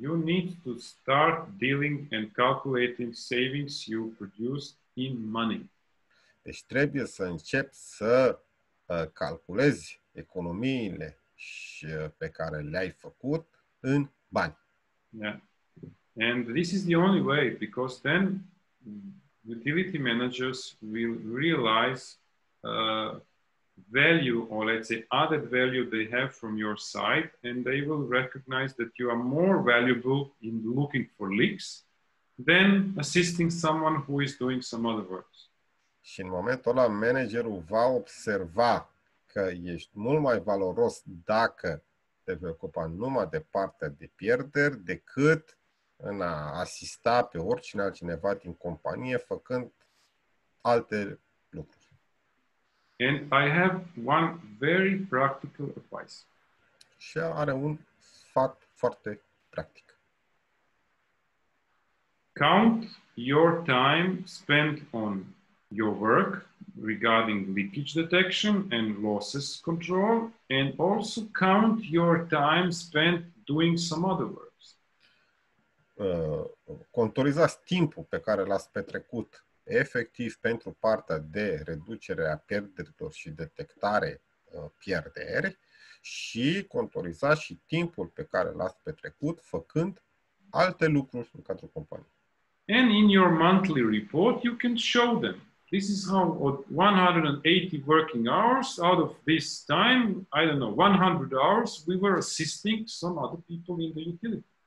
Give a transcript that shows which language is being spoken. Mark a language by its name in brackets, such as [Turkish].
[English] You need to start dealing and calculating savings you produce in money. [Romanian] Deci trebuie să începi să calculezi economiile și pe care le-ai făcut în bani. [English] Yeah. And this is the only way, because then utility managers will realize value, or let's say added value they have from your side, and they will recognize that you are more valuable in looking for leaks than assisting someone who is doing some other works. [Romanian] Și în momentul ăla managerul va observa că ești mult mai valoros dacă te vei ocupa numai de partea de pierderi decât în a asista pe oricine altcineva din companie făcând alte lucruri. [English] And I have one very practical advice. [Romanian] Și are un sfat foarte practic. [English] Count your time spent on your work regarding leakage detection and losses control, and also count your time spent doing some other works. [Romanian] Contorizați timpul pe care l-ați petrecut efectiv pentru partea de reducere a pierderilor și detectare pierderi și contoriza și timpul pe care l-ați petrecut făcând alte lucruri în cadrul companiei. [English] And in your monthly report you can show them. This is how 180 working hours out of this time, I don't know, 100 hours we were assisting some other people in the utility.